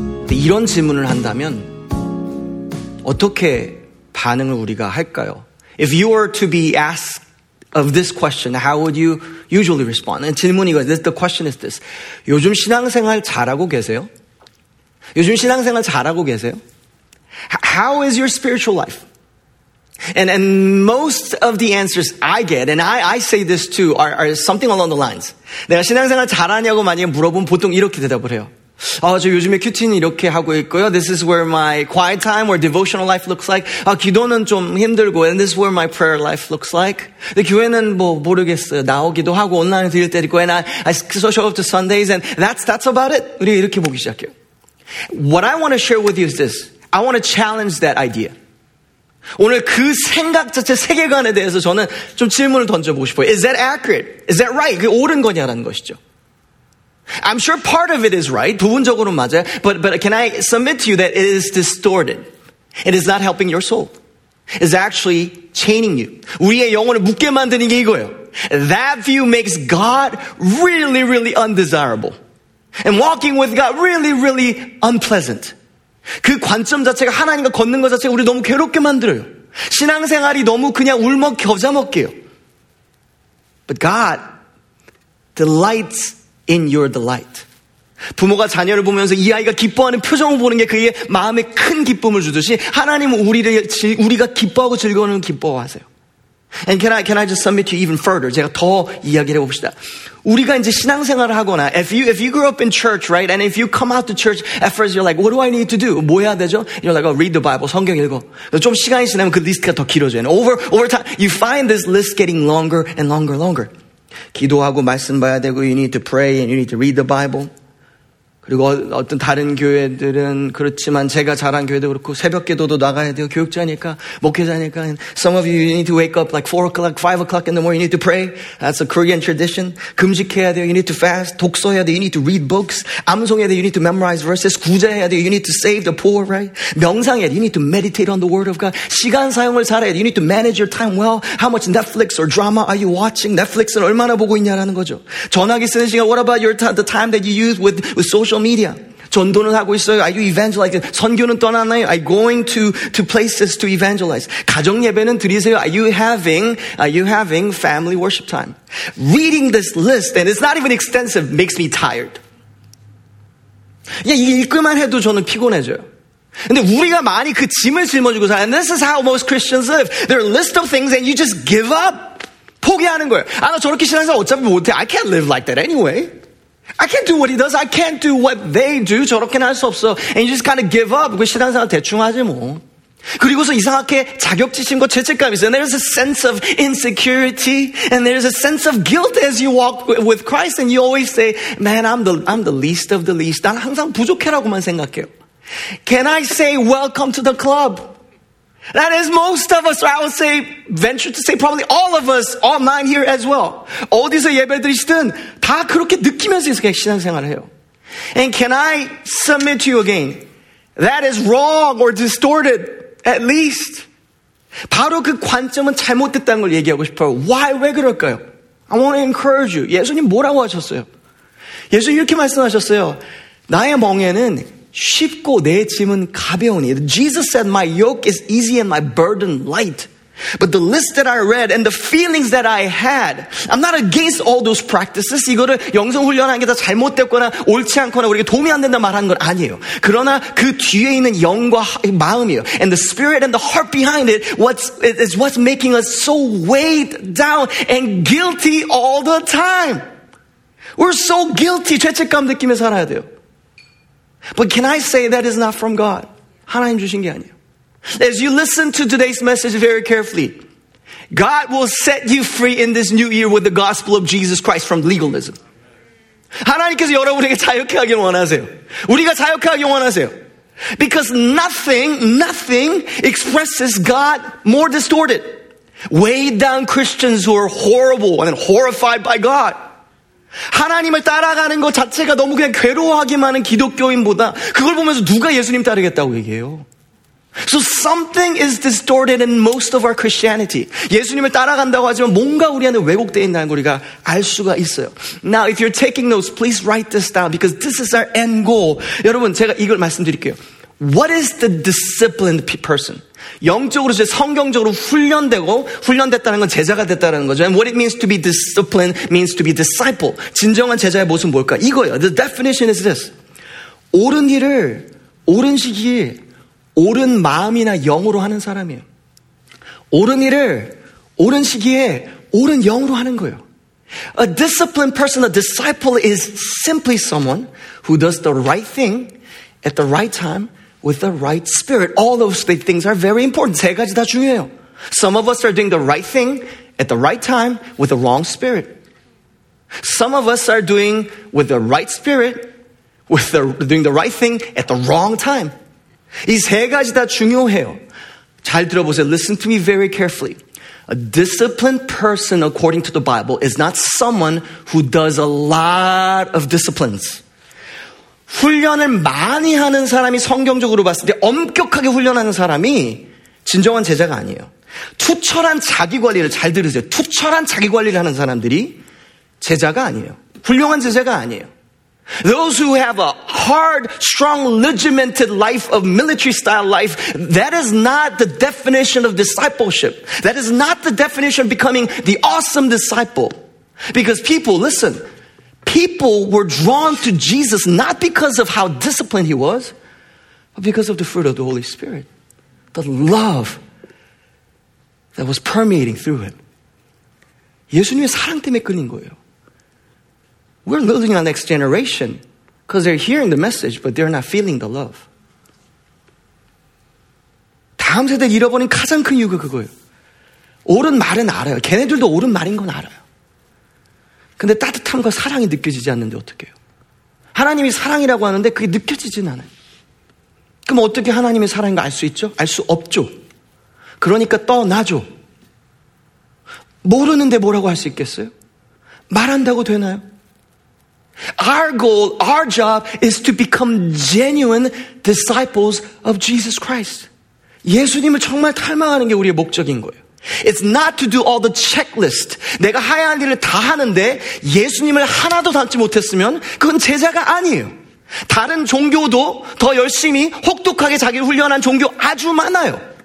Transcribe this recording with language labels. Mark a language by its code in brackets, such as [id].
[ko] 이런 질문을 한다면 어떻게 반응을 우리가 할까요? [en] If you were to be asked of this question, how would you usually respond? [ko] 질문이 이거, [en] the question is this. [ko] 요즘 신앙생활 잘하고 계세요? 요즘 신앙생활 잘하고 계세요? [en] How is your spiritual life? And most of the answers I get, and I say this too, are something along the lines. [ko] 내가 신앙생활 잘하냐고 만약에 물어보면 보통 이렇게 대답을 해요. 아, 저 요즘에 큐티는 이렇게 하고 있고요. [en] This is where my quiet time or devotional life looks like. [ko] 아, 기도는 좀 힘들고, [en] and this is where my prayer life looks like. [ko] 근데 교회는 뭐 모르겠어요. 나오기도 하고, 온라인 드릴 때도 있고, [en] and I show up to Sundays, and that's about it. [ko] 우리가 이렇게 보기 시작해요. [en] What I want to share with you is this. I want to challenge that idea. [ko] 오늘 그 생각 자체 세계관에 대해서 저는 좀 질문을 던져보고 싶어요. [en] Is that accurate? Is that right? [ko] 그게 옳은 거냐라는 것이죠. [en] I'm sure part of it is right. [ko] 부분적으로는 맞아요. [en] But can I submit to you that it is distorted? It is not helping your soul. It's actually chaining you. [ko] 우리의 영혼을 묶게 만드는 게 이거예요. [en] That view makes God really, really undesirable. And walking with God really, really unpleasant. [ko] 그 관점 자체가 하나님과 걷는 것 자체가 우리 너무 괴롭게 만들어요. 신앙생활이 너무 그냥 울먹 겨자먹게요. [en] But God delights in your delight. [ko] 부모가 자녀를 보면서 이 아이가 기뻐하는 표정을 보는 게 그의 마음에 큰 기쁨을 주듯이 하나님은 우리가 기뻐하고 즐거우는 기뻐하세요. [en] And can I just submit to you even further? [ko] 제가 더 이야기를 해봅시다. 우리가 이제 신앙생활을 하거나 [en] if you grew up in church, right? And if you come out to church, at first you're like, what do I need to do? [ko] 뭐 해야 되죠? [en] You're like, oh, read the Bible, [ko] 성경 읽어. 좀 시간이 지나면 그 리스트가 더 길어져요. [en] Over time, you find this list getting longer and longer and longer. [ko] 기도하고 말씀 봐야 되고, [en] you need to pray and you need to read the Bible. [ko] 그리고 어떤 다른 교회들은 그렇지만 제가 자란 교회도 그렇고 새벽 기도도 나가야 돼요. 교육자니까, 목회자니까. [en] And some of you need to wake up like 4 o'clock, 5 o'clock in the morning. You need to pray. That's a Korean tradition. [ko] 금식해야 돼요. [en] You need to fast. [ko] 독서해야 돼요. [en] You need to read books. [ko] 암송해야 돼요. [en] You need to memorize verses. [ko] 구제해야 돼요. [en] You need to save the poor, right? [ko] 명상해야 돼요. [en] You need to meditate on the word of God. [ko] 시간 사용을 잘해야 돼요. [en] You need to manage your time well. How much Netflix or drama are you watching? [ko] Netflix은 얼마나 보고 있냐라는 거죠. 전화기 쓰는 시간, [en] what about the time that you use with social media. [ko] 전도는 하고 있어요. [en] Are you evangelizing? [ko] 선교는 떠났나요? [en] Are you going to places to evangelize? [ko] 가정 예배는 드리세요. [en] Are you having family worship time? Reading this list, and it's not even extensive, makes me tired. [ko] 야, 이게 읽기만 해도 저는 피곤해져요. 근데 우리가 많이 그 짐을 짊어지고 살아요. [en] And this is how most Christians live. There are a list of things and you just give up. [ko] 포기하는 거예요. 아, 나 저렇게 신앙생활 어차피 못해. [en] I can't live like that anyway. I can't do what he does. I can't do what they do. [ko] 저렇게는 할 수 없어. [en] And you just kind of give up. [ko] 그 신앙생활 대충 하지 뭐. 그리고서 이상하게 자격지심과 죄책감이 있어요. [en] There's a sense of insecurity. And there's a sense of guilt as you walk with Christ. And you always say, man, I'm the least of the least. [ko] 난 항상 부족해라고만 생각해요. [en] Can I say welcome to the club? That is most of us, or I would say, venture to say, probably all of us, all nine here as well. [ko] 어디서 예배드리시든 다 그렇게 느끼면서 신앙생활을 해요. [en] And can I submit to you again? That is wrong or distorted, at least. [ko] 바로 그 관점은 잘못됐다는 걸 얘기하고 싶어요. [en] Why? [ko] 왜 그럴까요? [en] I want to encourage you. [ko] 예수님 뭐라고 하셨어요? 예수님 이렇게 말씀하셨어요. 나의 멍에는 쉽고 내 짐은 가벼우니. [en] Jesus said, my yoke is easy and my burden light. But the list that I read and the feelings that I had, I'm not against all those practices. [ko] 이거를 영성훈련한 게 다 잘못됐거나 옳지 않거나 우리에게 도움이 안 된다 말하는 건 아니에요. 그러나 그 뒤에 있는 영과 마음이에요. [en] And the spirit and the heart behind it is what's making us so weighed down and guilty all the time. We're so guilty. [ko] 죄책감 느끼며 살아야 돼요. [en] But can I say that is not from God? [ko] 하나님 주신 게 아니에요. [en] As you listen to today's message very carefully, God will set you free in this new year with the gospel of Jesus Christ from legalism. [ko] 하나님께서 여러분에게 자유케 하길 원하세요. 우리가 자유케 하길 원하세요. [en] Because nothing expresses God more distorted. Weighed down Christians who are horrible and horrified by God. [ko] 하나님을 따라가는 것 자체가 너무 그냥 괴로워하기만 하는 기독교인보다 그걸 보면서 누가 예수님 따르겠다고 얘기해요. [en] So something is distorted in most of our Christianity. [ko] 예수님을 따라간다고 하지만 뭔가 우리 안에 왜곡되어 있다는 걸 우리가 알 수가 있어요. [en] Now if you're taking notes, please write this down because this is our end goal. [ko] 여러분 제가 이걸 말씀드릴게요. [en] What is the disciplined person? [ko] 영적으로 이제 성경적으로 훈련되고 훈련됐다는 건 제자가 됐다는 거죠. [en] And what it means to be disciplined means to be disciple. [ko] 진정한 제자의 모습은 뭘까? 이거예요. [en] The definition is this. [ko] 옳은 일을 옳은 시기에 옳은 마음이나 영으로 하는 사람이에요. 옳은 일을 옳은 시기에 옳은 영으로 하는 거예요. [en] A disciplined person, a disciple is simply someone who does the right thing at the right time with the right spirit. All those three things are very important. [ko] 세 가지 다 중요해요. [en] Some of us are doing the right thing at the right time with the wrong spirit. Some of us are doing with the right spirit, with the, doing the right thing at the wrong time. [ko] 이 세 가지 다 중요해요. 잘 들어보세요. [en] Listen to me very carefully. A disciplined person, according to the Bible, is not someone who does a lot of disciplines. [ko] 훈련을 많이 하는 사람이 성경적으로 봤을 때 엄격하게 훈련하는 사람이 진정한 제자가 아니에요. 투철한 자기관리를 잘 들으세요. 투철한 자기관리를 하는 사람들이 제자가 아니에요. 훌륭한 제자가 아니에요. [en] Those who have a hard, strong, regimented life of military-style life, that is not the definition of discipleship. That is not the definition of becoming the awesome disciple. Because people, listen, people were drawn to Jesus not because of how disciplined he was, but because of the fruit of the Holy Spirit, the love that was permeating through him. [ko] 예수님의 사랑 때문에 끌린 거예요. [en] We're losing our next generation because they're hearing the message, but they're not feeling the love. [ko] 다음 세대 잃어버린 가장 큰 이유가 그거예요. 옳은 말은 알아요. 걔네들도 옳은 말인 건 알아요. 근데 따뜻함과 사랑이 느껴지지 않는데 어떡해요? 하나님이 사랑이라고 하는데 그게 느껴지진 않아요. 그럼 어떻게 하나님의 사랑인 거 알 수 있죠? 알 수 없죠. 그러니까 떠나죠. 모르는데 뭐라고 할 수 있겠어요? 말한다고 되나요? [en] Our goal, our job is to become genuine disciples of Jesus Christ. [ko] 예수님을 정말 닮아가는 게 우리의 목적인 거예요. [en] It's not to do all the checklist. [ko] 내가 해야 할 일을 다 하는데 예수님을 하나도 닮지 못했으면 그건 제자가 아니에요. 다른 종교도 더 열심히 혹독하게 자기를 훈련한 종교 아주 많아요.